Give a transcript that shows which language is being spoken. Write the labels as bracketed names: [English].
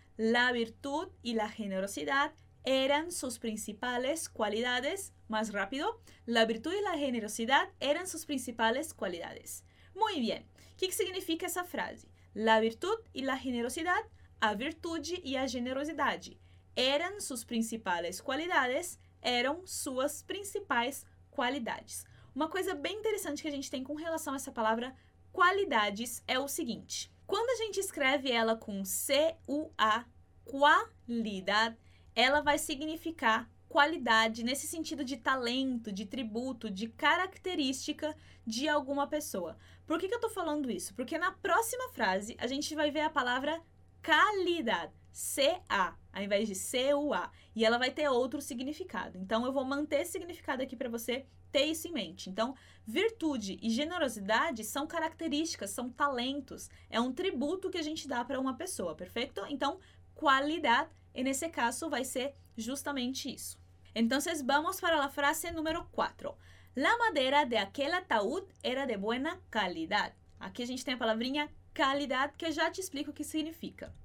[Spanish] La virtud y la generosidad eran sus principales cualidades. Más rápido. La virtud y la generosidad eran sus principales cualidades. Muy bien. ¿Qué significa esa frase? La virtud y la generosidad, [Portuguese] a virtude y a generosidade, [Spanish] eran sus principales cualidades, [Portuguese] eram suas principais qualidades. Uma coisa bem interessante que a gente tem com relação a essa palavra qualidades é o seguinte. Quando a gente escreve ela com C-U-A, qualidade, ela vai significar qualidade nesse sentido de talento, de tributo, de característica de alguma pessoa. Por que eu tô falando isso? Porque na próxima frase a gente vai ver a palavra calidad, C-A, ao invés de C-U-A, e ela vai ter outro significado. Então eu vou manter esse significado aqui para você ter isso em mente. Então, virtude e generosidade são características, são talentos, é um tributo que a gente dá para uma pessoa, perfeito? Então, qualidade, e nesse caso vai ser justamente isso. Então, vamos para a frase número 4. [Spanish] La madera de aquel ataúd era de buena calidad. [Portuguese] Aqui a gente tem a palavrinha calidad, que eu já te explico o que significa.